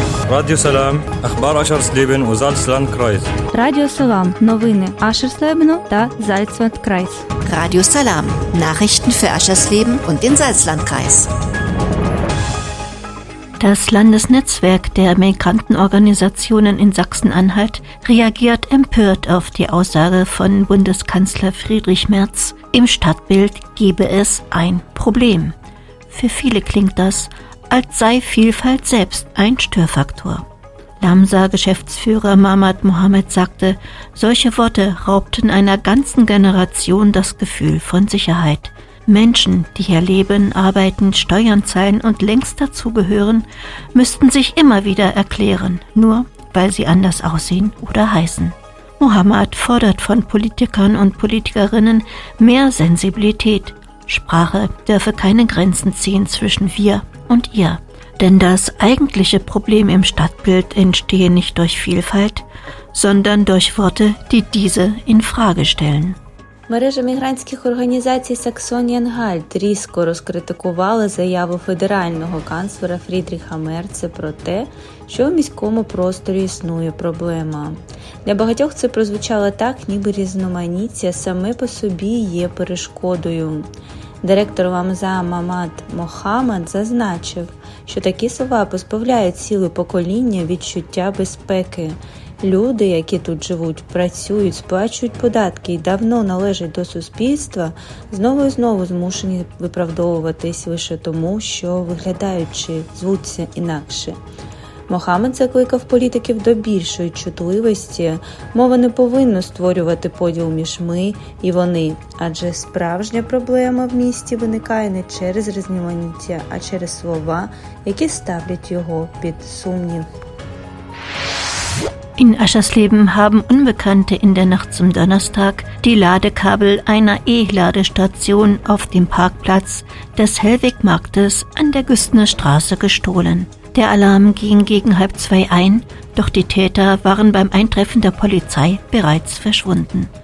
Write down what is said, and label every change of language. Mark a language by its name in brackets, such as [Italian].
[Ukrainian] Радіо Салам, Ахбар Ашерслібен у Зальцландкрайс. Радіо Салам, новини Ашерслібену та Зальцландкрайс. [German] Радіо Салам, Nachrichten für Ашерслібен und den Salzlandkreis. Das Landesnetzwerk der Migrantenorganisationen in Sachsen-Anhalt reagiert empört auf die Aussage von Bundeskanzler Friedrich Merz, im Stadtbild gebe es ein Problem. Für viele klingt das, als sei Vielfalt selbst ein Störfaktor. Lamsa-Geschäftsführer Mamad Mohammed sagte, solche Worte raubten einer ganzen Generation das Gefühl von Sicherheit. Menschen, die hier leben, arbeiten, Steuern zahlen und längst dazugehören, müssten sich immer wieder erklären, nur weil sie anders aussehen oder heißen. Mohammed fordert von Politikern und Politikerinnen mehr Sensibilität. Sprache dürfe keine Grenzen ziehen zwischen wir und ihr. Denn das eigentliche Problem im Stadtbild entstehe nicht durch Vielfalt, sondern durch Worte, die diese in Frage stellen. [Ukrainian] Мережа мігрантських організацій Саксонія-Анхальт різко розкритикувала заяву федерального канцлера Фрідріха Мерце про те, що в міському просторі існує проблема. Для багатьох це прозвучало так, ніби різноманіття саме по собі є перешкодою. Директор ВАМЗА Мамад Мохаммад зазначив, що такі слова позбавляють ціле покоління відчуття безпеки. Люди, які тут живуть, працюють, сплачують податки і давно належать до суспільства, знову і знову змушені виправдовуватись лише тому, що виглядаючи, звуться інакше. Мохаммад закликав політиків до більшої чутливості. Мова не повинна створювати поділ між ми і вони, адже справжня проблема в місті виникає не через різноманіття, а через слова, які ставлять його під сумнів. [German] In Aschersleben haben Unbekannte in der Nacht zum Donnerstag die Ladekabel einer E-Ladestation auf dem Parkplatz des Hellwegmarktes an der Güstner Straße gestohlen. Der Alarm ging gegen 1:30 ein, doch die Täter waren beim Eintreffen der Polizei bereits verschwunden.